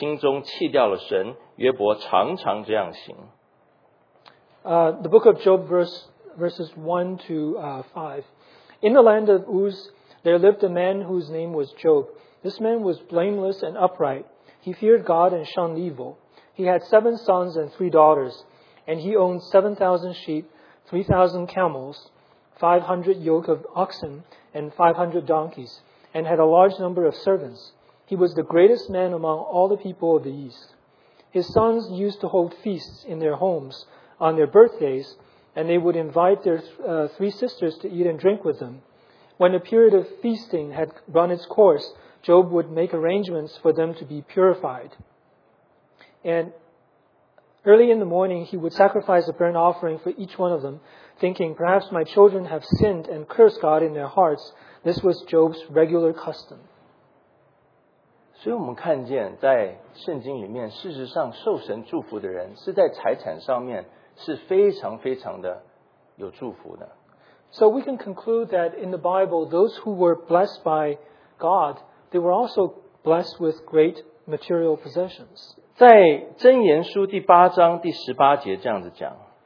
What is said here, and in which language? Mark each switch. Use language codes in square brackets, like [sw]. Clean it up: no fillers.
[zh] 他的儿子按着日子各在自己家里设宴摆设摆宴席，就打发人去请了他的三个姐妹来与他们一同吃喝。筵宴的日子过了，约伯打发人去叫他们自节。他清早起来按着他们众人的数目献燔祭，因为他说恐怕我儿子犯了罪，心中弃掉了神。约伯常常这样行。 [en] The book of Job verses 1 to 5. In the land of Uz, there lived a man whose name was Job. This man was blameless and upright. He feared God and shunned evil. He had 7 sons and 3 daughters, and he owned 7,000 sheep, 3,000 camels, 500 yoke of oxen, and 500 donkeys, and had a large number of servants. He was the greatest man among all the people of the East. His sons used to hold feasts in their homes on their birthdays, and they would invite their three sisters to eat and drink with them. When a period of feasting had run its course, Job would make arrangements for them to be purified. And early in the morning, he would sacrifice a burnt offering for each one of them, thinking, perhaps my children have sinned and cursed God in their hearts. This was Job's regular custom. [zh] 所以我们看见在圣经里面，事实上受神祝福的人是在财产上面是非常非常的有祝福的。 [en] So we can conclude that in the Bible, those who were blessed by God, they were also blessed with great material possessions. [zh] 在箴言书第8章第18节这样子讲。